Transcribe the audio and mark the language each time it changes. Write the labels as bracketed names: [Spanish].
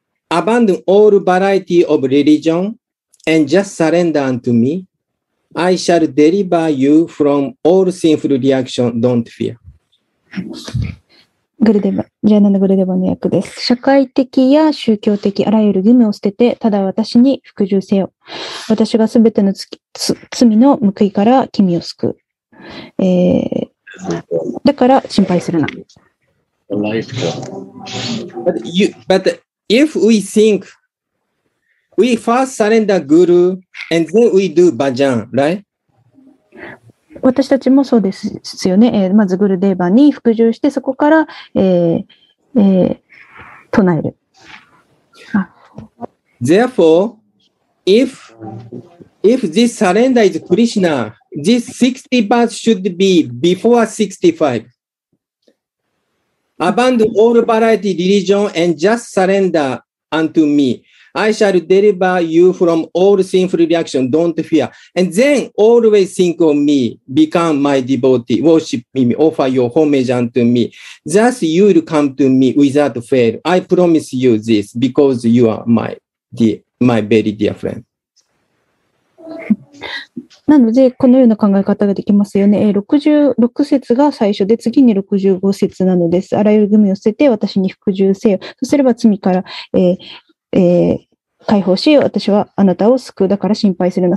[English] Abandon all variety of religion and just surrender unto me. I shall deliver you from all sinful reaction, don't fear. [Japanese] グルデバ、ジャイナナ・グルデバの訳です。社会的や宗教的あらゆる義務を捨てて、ただ私に服従せよ。私がすべての罪の報いから君を救う。だから心配するな。 [English] But if we think we first surrender guru and then we do bhajan, right? [Japanese] 私たちもそうですよね。まずグルデーバに服従して、そこから、唱える。 [English] Therefore, if this surrender is Krishna, this 60 birth should be before 65. Abandon all variety religion and just surrender unto me. I shall deliver you from all sinful reaction. Don't fear. And then always think of me. Become my devotee. Worship me. Offer your homage unto me. Thus you will come to me without fail. I promise you this because you are my very dear friend. [Japanese] なので、このような考え方ができますよね。66節が最初で、次に65節なのです。あらゆる義務を捨てて私に服従せよ。そうすれば罪から、解放し、私はあなたを救う、だから心配するな。